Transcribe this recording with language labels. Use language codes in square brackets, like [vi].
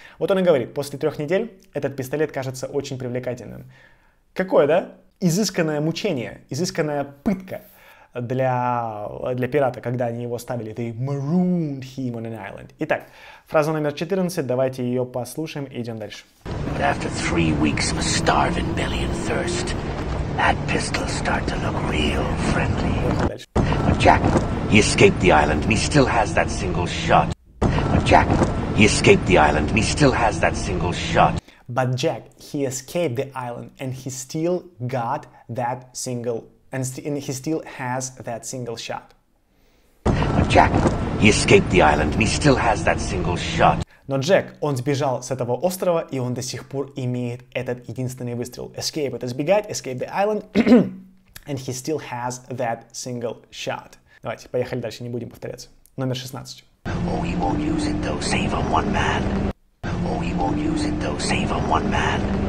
[ru] Вот он и говорит, после 3 недель этот пистолет кажется очень привлекательным. Какое, да? Изысканное мучение, изысканная пытка для пирата, когда они его оставили. [en] They marooned him on an island. [ru] Итак, фраза номер 14, давайте ее послушаем и идем дальше. [en] After 3 weeks of a starving belly and thirst, that pistol start to look real friendly. But Jack, he escaped the island and he still has that single shot. But Jack, he escaped the island and he still has that single shot. But Jack, he escaped the island and he still got that single shot. And he still has that single shot. But Jack, he escaped the island and he still has that single shot. [ru] Но Джек, он сбежал с этого острова, и он до сих пор имеет этот единственный выстрел. [en] Escape — [ru] это сбегать, [en] escape the island, and he still has that single shot. [ru] Давайте, поехали дальше, не будем повторяться. Номер 16. [en] Oh, he won't use it though, save on one man. Oh, he won't use it though, save on one man.